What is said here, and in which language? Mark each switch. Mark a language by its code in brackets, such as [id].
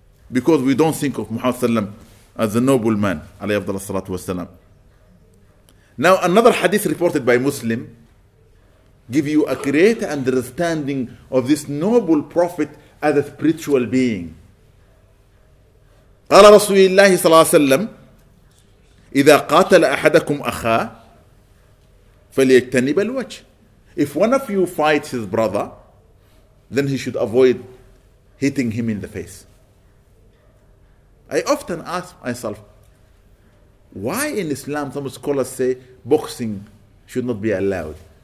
[en] Because we don't think of Muhammad sallam as a noble man, [ar] alayhi afdala salatu wasalam. [en] Now another hadith reported by Muslim give you a great understanding of this noble prophet as a spiritual being. [ar] قال رسول الله صلى الله عليه وسلم إذا قاتل أحدكم أخاه فليجتنب الوجه. [en] If one of you fights his brother, then he should avoid hitting him in the face. I often ask myself, why in Islam some scholars say boxing should not be allowed?